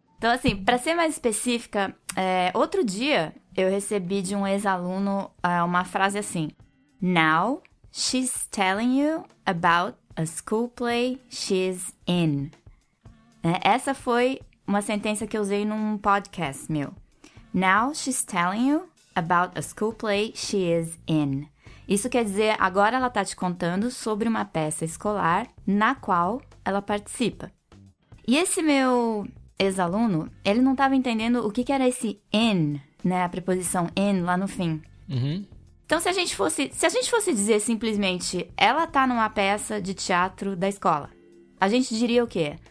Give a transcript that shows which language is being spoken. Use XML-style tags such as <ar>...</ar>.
<pt>Então, assim, para ser mais específica, outro dia eu recebi de um ex-aluno uma frase assim:</pt> <en>Now she's telling you about a school play she's in.</en> <pt>Essa foi uma sentença que eu usei num podcast meu.</pt> <en>Now she's telling you about a school play she is in.</en> <pt>Isso quer dizer, agora ela está te contando sobre uma peça escolar na qual ela participa. E esse meu ex-aluno, ele não estava entendendo o que, que era esse in, né? A preposição in lá no fim. Uhum. Então, se a gente fosse dizer simplesmente, ela está numa peça de teatro da escola, a gente diria o quê?</pt>